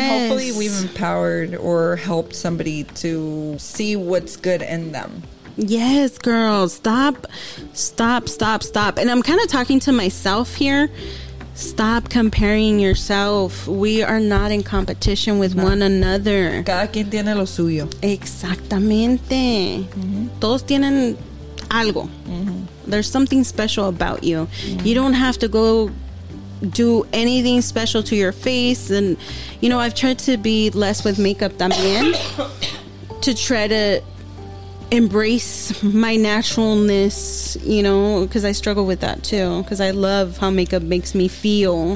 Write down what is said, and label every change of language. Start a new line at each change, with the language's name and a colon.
English: And hopefully we've empowered or helped somebody to see what's good in them. Yes, girl. Stop. And I'm kind of talking to myself here. Stop comparing yourself. We are not in competition with one another.
Spanish: Cada quien tiene lo suyo. Exactamente. Mm-hmm. Todos tienen algo. Mm-hmm.
English: There's something special about you. Mm-hmm. You don't have to go do anything special to your face. And, you know, I've tried to be less with makeup también to try to embrace my naturalness, you know, because I struggle with that too, because I love how makeup makes me feel.